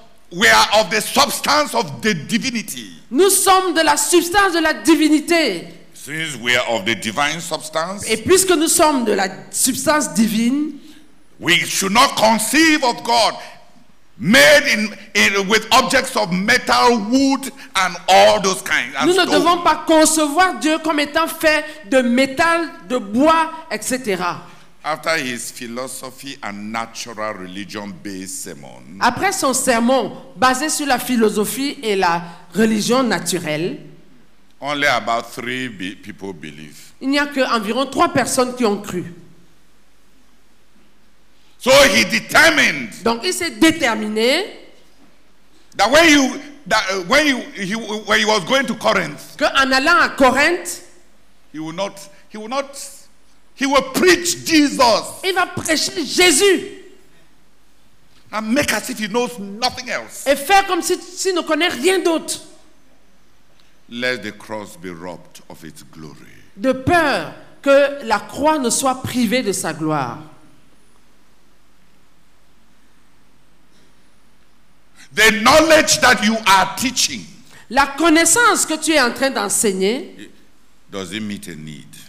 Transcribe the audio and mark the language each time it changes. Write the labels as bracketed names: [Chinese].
[English] We are of the substance of the divinity. [French] Nous sommes de la substance de la divinité. [English] Since we are of the divine substance. [French] Et puisque nous sommes de la substance divine. [English] We should not conceive of God made with objects of metal, wood, and all those kinds. [French] Nous ne devons pas concevoir Dieu comme étant fait de métal, de bois, etc. [English] After his philosophy and natural religion-based sermon. [French] Après son sermon basé sur la philosophie et la religion naturelle. [English] Only about 3 people believe. [French] Il n'y a que environ 3 personnes qui ont cru. [English] So he determined. [French] Donc il s'est déterminé. [English] That when he was going to Corinth. [French] Que en allant à Corinthe, [English] he will preach Jesus. [French] Il va prêcher Jésus. [English] And make as if he knows nothing else. [French] Et faire comme si ne connaît rien d'autre. [English] Let the cross be robbed of its glory. [French] De peur que la croix ne soit privée de sa gloire. [English] The knowledge that you are teaching. [French] La connaissance que tu es en train d'enseigner. [English] Does it meet a need?